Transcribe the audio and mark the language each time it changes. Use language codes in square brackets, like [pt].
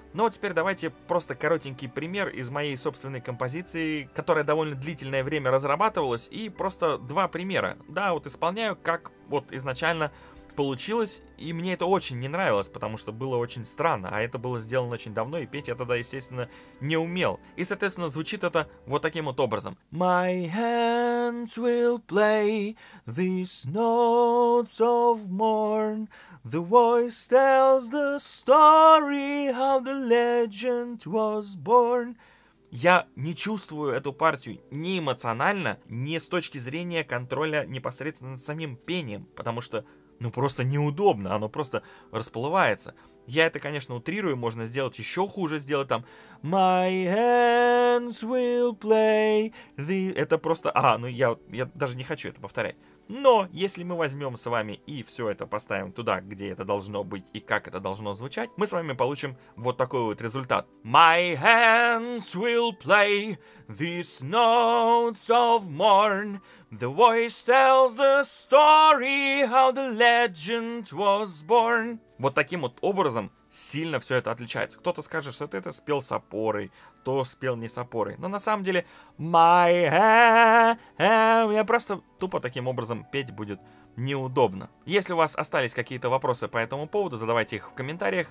[ru] Ну а теперь давайте просто коротенький пример из моей собственной композиции, которая довольно длительное время разрабатывалась, и просто два примера. Да, вот исполняю, как вот изначально получилось, и мне это очень не нравилось, потому что было очень странно, а это было сделано очень давно, и петь я тогда, естественно, не умел. И, соответственно, звучит это вот таким вот образом. [en] My hands will play these notes of morn. The voice tells the story how the legend was born. [ru] Я не чувствую эту партию ни эмоционально, ни с точки зрения контроля непосредственно над самим пением, потому что, ну, просто неудобно, оно просто расплывается. Я это, конечно, утрирую, можно сделать еще хуже, сделать там [en] My hands will play the... [ru] Это просто... я даже не хочу это повторять. Но если мы возьмем с вами и все это поставим туда, где это должно быть и как это должно звучать, мы с вами получим вот такой вот результат. [en] My hands will play these notes of morn. The voice tells the story how the legend was born. [ru] Вот таким вот образом сильно все это отличается. Кто-то скажет, что ты это спел с опорой, то спел не с опорой. Но на самом деле, [en] my hand, [ru] я просто тупо таким образом петь будет неудобно. Если у вас остались какие-то вопросы по этому поводу, задавайте их в комментариях.